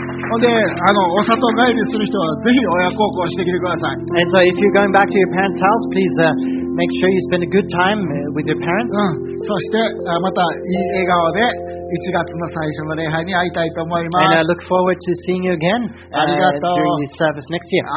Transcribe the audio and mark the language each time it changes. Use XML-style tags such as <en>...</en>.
<ja>ほんで、お里帰りする人はぜひ親孝行してきてください。</ja> <en>And so if you're going back to your parents' house, please, make sure you spend a good time with your parents. うん。</en> <ja>そして、またいい笑顔で1月の最初の礼拝に会いたいと思います。</ja> <en>And I look forward to seeing you again,</en> <ja>ありがとう。</ja> <en>during the service next year.</en>